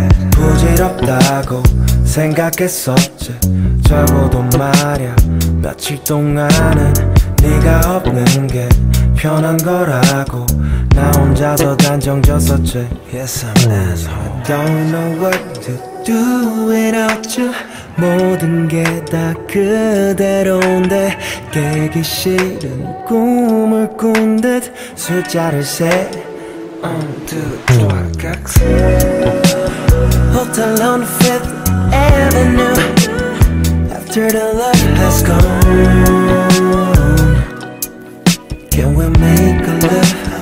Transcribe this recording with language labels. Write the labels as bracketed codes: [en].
[ko] 부질없다고 생각했었지. 적어도 말야 며칠 동안은 네가 없는 게 편한 거라고 나 혼자서 단정졌었지. [en] Yes, I'm an asshole. I don't know what to do without you. [ko] 모든 게 다 그대로인데 깨기 싫은 꿈을 꾼 듯 숫자를 세. [en] 1, 2, 3, 4. Hotel on Fifth Avenue after the love has gone. Can we make a love?